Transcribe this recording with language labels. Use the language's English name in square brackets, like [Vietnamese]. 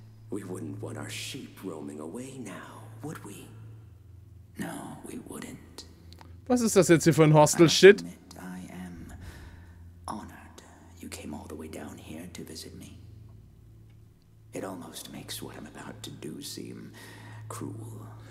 [English] We wouldn't want our sheep roaming away now, would we? No, we wouldn't. [German] Was ist das jetzt hier für ein Hostel-Shit? [English] I am honored you came all the way down here to visit me. It almost makes what I'm about to do seem cruel.